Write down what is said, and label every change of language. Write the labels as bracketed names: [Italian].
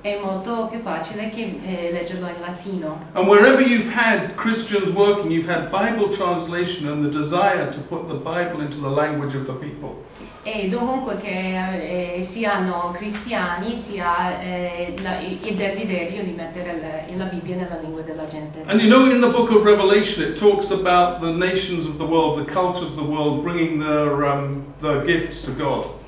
[Italian] È molto più facile che leggerlo in latino. [English] And wherever you've had Christians working, you've had Bible translation and the desire to put the Bible into the language of the people. [Italian] E dovunque che siano cristiani, sia il desiderio di mettere la Bibbia nella lingua della gente. [English] And you know, in the book of Revelation, it talks about the nations of the world, the cultures of the world, bringing their gifts to God.